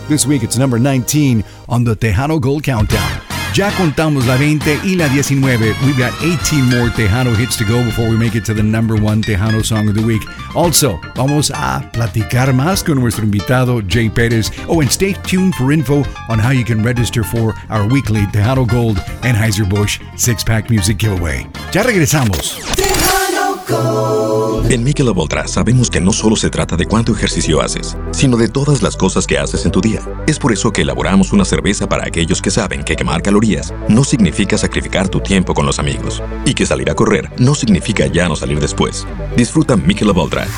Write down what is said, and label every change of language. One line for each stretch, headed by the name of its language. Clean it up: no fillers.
English: This week it's number 19 on the Tejano Gold Countdown.
Spanish: Ya contamos la 20 y la 19.
English: We've got 18 more Tejano hits to go before we make it to the number one Tejano song of the week.
Spanish: Also, vamos a platicar más con nuestro invitado, Jay Perez.
English: Oh, and stay tuned for info on how you can register for our weekly Tejano Gold Anheuser-Busch six-pack music giveaway.
Spanish: Ya regresamos.
English: Tejano Gold.
Spanish: En Michelob Ultra sabemos que no solo se trata de cuánto ejercicio haces, sino de todas las cosas que haces en tu día. Es por eso que elaboramos una cerveza para aquellos que saben que quemar calorías no significa sacrificar tu tiempo con los amigos. Y que salir a correr no significa ya no salir después. Disfruta Michelob Ultra.